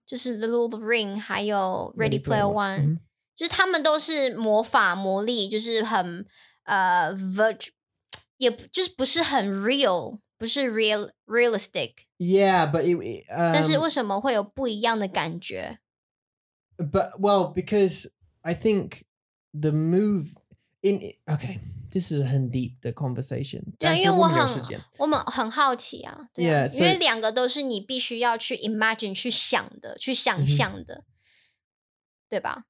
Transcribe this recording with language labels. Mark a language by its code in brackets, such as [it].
[zh] 就是 Lord of the Ring, 还有 Ready Player One, 就是他们都是魔法魔力, 就是很, virtual, 也就是不是很 real, 不是 realistic. [en] Yeah, but it, [zh] 但是为什么会有不一样的感觉? [en] But, well, because I think the move in, okay, this is a 很 deep 的 conversation. [zh] 对,因为我们很好奇啊, 因为两个都是你必须要去 imagine, 去想的, 去想象的, 对吧?